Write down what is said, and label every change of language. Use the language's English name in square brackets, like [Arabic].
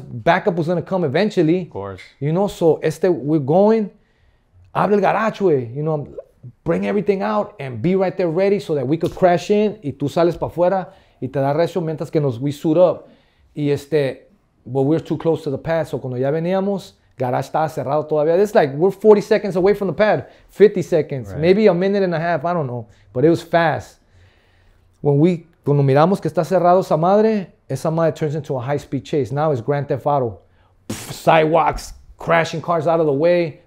[English] Backup was going to come eventually. Of course. You know, so we're going. [Spanish] Abre el garage, [English] you know, bring everything out and be right there ready so that we could crash in. [Spanish] Y tú sales para afuera y te da recio mientras que [English] we suit up. Y but we're too close to the pad. [Spanish] So cuando ya veníamos, garage estaba cerrado todavía. [English] It's like we're 40 seconds away from the pad. 50 seconds. Right. Maybe a minute and a half. I don't know. But it was fast. [Spanish] Cuando miramos que está cerrado esa madre [English] turns into a high-speed chase. Now it's Grand Theft Auto. Sidewalks, crashing cars out of the way.